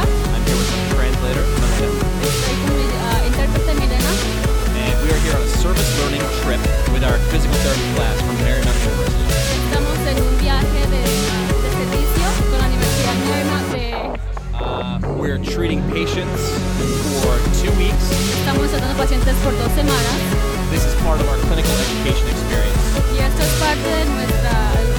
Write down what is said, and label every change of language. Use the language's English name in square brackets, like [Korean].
[English] I'm here with my translator, Milena. And we are here on a service learning trip with our physical therapy class from Marymount University. [Spanish] Estamos en un viaje de servicio con la Universidad Marymount. [English] We're treating patients for 2 weeks. [Spanish] Estamos tratando pacientes por 2 semanas. [English] This is part of our clinical education experience. [Spanish] Y esto es parte de nuestra